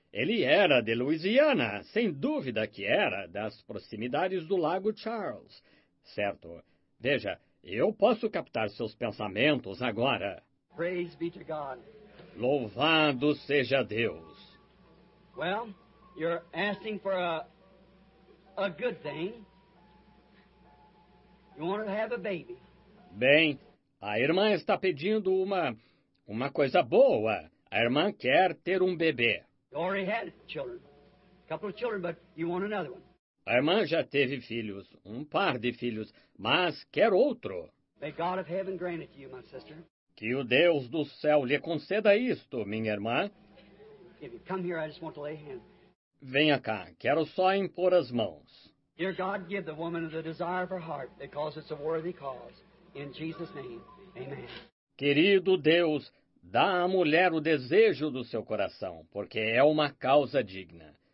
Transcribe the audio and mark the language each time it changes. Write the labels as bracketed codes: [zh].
[pt] Ele era de Louisiana, sem dúvida que era das proximidades do Lago Charles. Certo. Veja, eu posso captar seus pensamentos agora. [en] Praise be to God. [pt] Louvado seja Deus. [en] Well, you're asking for a good thing. You want to have a baby. [pt] Bem, a irmã está pedindo uma coisa boa. A irmã quer ter um bebê. [en] You already had children. A couple of children, but you want another one. [pt] A irmã já teve filhos, um par de filhos, mas quer outro. [en] May God of heaven grant it to you, my sister. [pt] Que o Deus do céu lhe conceda isto, minha irmã. [en] If you come here, I just want to lay hands. [pt] Venha cá, quero só impor as mãos. [en] Dear God, give the woman the desire of her heart, because it's a worthy cause. In Jesus' name, amen. [pt] Querido Deus, dá à mulher o desejo do seu coração, porque é uma causa digna.